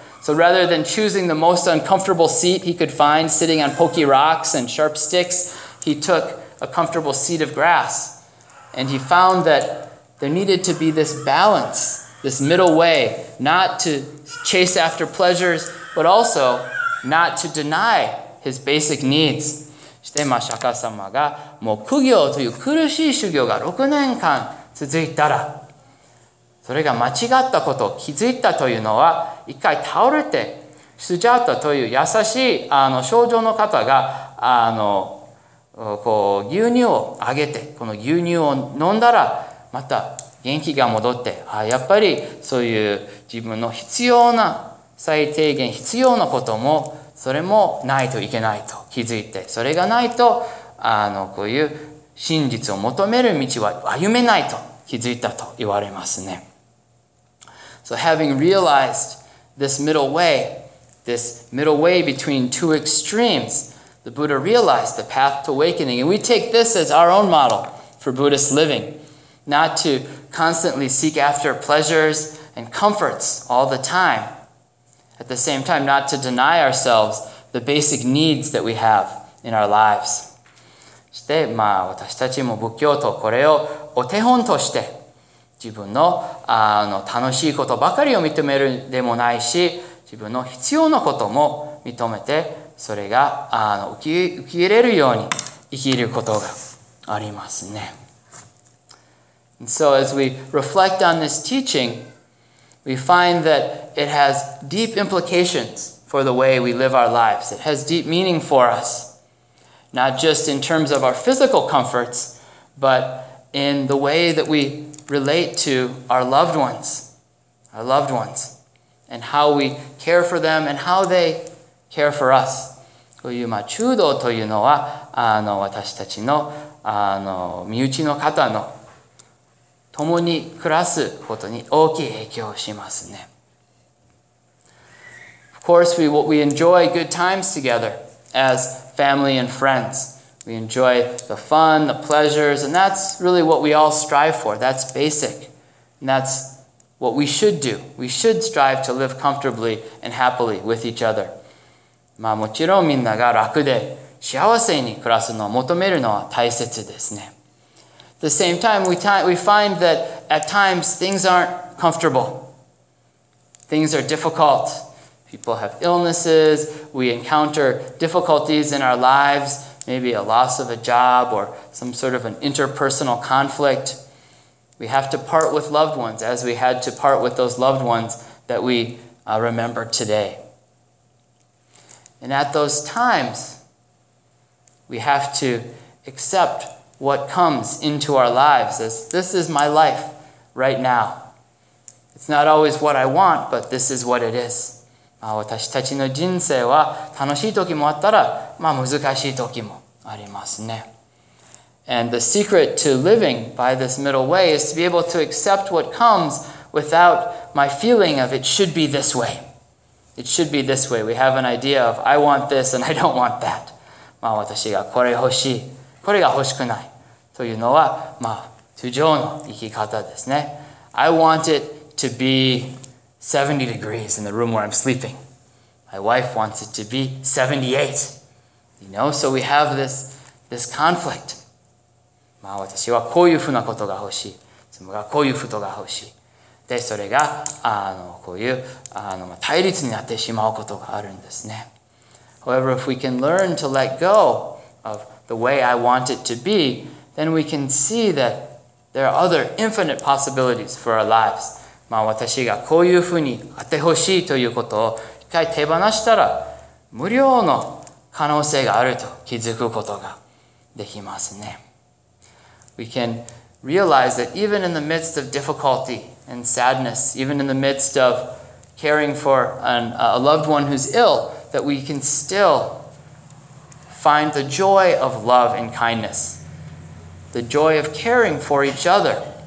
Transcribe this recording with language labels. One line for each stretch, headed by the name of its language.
English: So rather than choosing the most uncomfortable seat he could find sitting on pokey rocks and sharp sticks, he took a comfortable seat of grass. And he found that there needed to be this balance, this middle way, not to chase after pleasures, but also not to deny his basic needs.
Japanese: して、まあ、釈迦様がもう苦行という苦しい修行が6年間続いたら、それが間違ったことを気づいたというのは、一回倒れてスジャータという優しい少女の方がこう牛乳をあげて、この牛乳を飲んだらまた元気が戻って、あ、やっぱりそういう自分の必要な最低限必要なこともそれもないといけないと気づいて、それがないとこういう真実を求める道は歩めないと気づいたと言われますね。
English: So having realized this middle way, this middle way between two extremes, the Buddha realized the path to awakening. And we take this as our own model for Buddhist living, not to constantly seek after pleasures and comforts all the time. At the same time, not to deny ourselves the basic needs that we have in our lives.
Japanese: そして、まあ、私たちも仏教徒、これをお手本として、自分の、楽しいことばかりを認めるでもないし、自分の必要なことも認めて、それが、受け入れるように生きることがありますね。
English: And so as we reflect on this teaching, we find that it has deep implications for the way we live our lives. It has deep meaning for us, not just in terms of our physical comforts, but in the way that we relate to our loved ones, and how we care for them and how they care for us.
Japanese: こういう、まあ、中道というのは、私たちの、身内の方の共に暮らすことに大きい影響をしますね。
English: Of course, we enjoy good times together as family and friends. We enjoy the fun, the pleasures, and that's really what we all strive for. That's basic. And that's what we should do. We should strive to live comfortably and happily with each other.
Japanese: まあ、もちろんみんなが楽で幸せに暮らすのを求めるのは大切ですね。
English: At the same time, we find that at times things aren't comfortable. Things are difficult. People have illnesses. We encounter difficulties in our lives. Maybe a loss of a job or some sort of an interpersonal conflict. We have to part with loved ones as we had to part with those loved ones that we remember today. And at those times, we have to accept what comes into our lives as this is my life right now. It's not always what I want, but this is what it is.
Japanese: まあ、私たちの人生は楽しい時もあったら、まあ、難しい時もありますね。
English: And the secret to living by this middle way is to be able to accept what comes without my feeling of it should be this way. It should be this way. We have an idea of I want this and I don't want that.
Japanese: まあ私がこれ欲しい、これが欲しくないというのは、まあ通常の生き方ですね。
English: I want it to be 70 degrees in the room where I'm sleeping. My wife wants it to be 78. You know, so we have this conflict.
Japanese: まあ私はこういうふうなことが欲しい。妻がこういうことが欲しい。で、それが、こういう、対立になってしまうことがあるんですね。
English: However, if we can learn to let go of the way I want it to be, then we can see that there are other infinite possibilities for our lives.
Japanese: まあ、私がこういうふうにあってほしいということを一回手放したら、無料の可能性があると気づくことができますね。
English: We can realize that even in the midst of difficulty,and sadness, even in the midst of caring for a loved one who's ill, that we can still find the joy of love and kindness, the joy of caring for each other.